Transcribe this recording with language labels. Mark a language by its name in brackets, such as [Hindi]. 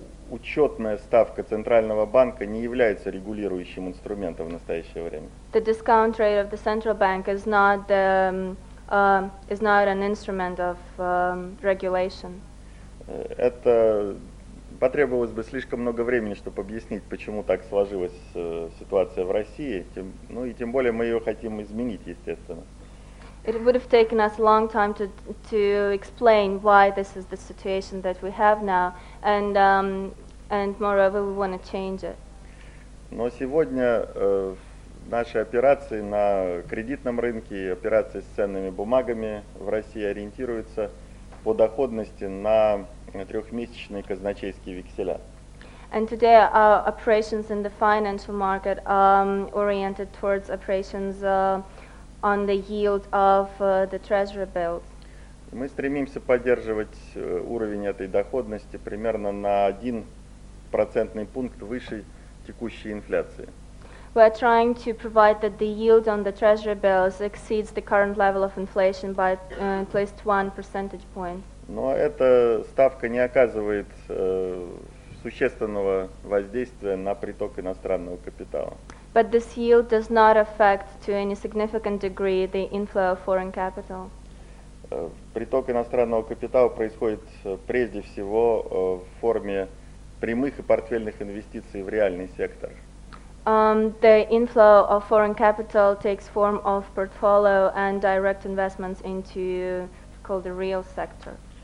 [Russian] Учетная ставка Центрального банка не является регулирующим инструментом в настоящее время. [English] The discount rate of the central bank is not the is not an instrument of regulation. [Russian] Это потребовалось бы слишком много времени, чтобы объяснить, почему так сложилась ситуация в России. Тем более мы ее хотим изменить, естественно. [English] It would have taken us a long time to explain why this is the situation that we have now, and and moreover, we want to change it. [Russian] Но сегодня наши операции на кредитном рынке и операции с ценными бумагами в России ориентируются по доходности на трехмесячные казначейские векселя. [English] And today our operations in the financial market are oriented towards operations on the yield of the treasury bills. [Russian] Мы стремимся поддерживать уровень этой доходности примерно на 1 процентный пункт выше текущей инфляции. [English] We are trying to provide that the yield on the treasury bills exceeds the current level of inflation by at least 1 percentage point. [Russian] Но эта ставка не оказывает существенного воздействия на приток иностранного капитала. [English] But this yield does not affect to any significant degree the inflow of foreign capital. [Russian] Приток иностранного капитала происходит прежде всего в форме прямых и портфельных инвестиций в реальный сектор. [English] The inflow of foreign capital takes form of portfolio and direct investments into what's called the real sector.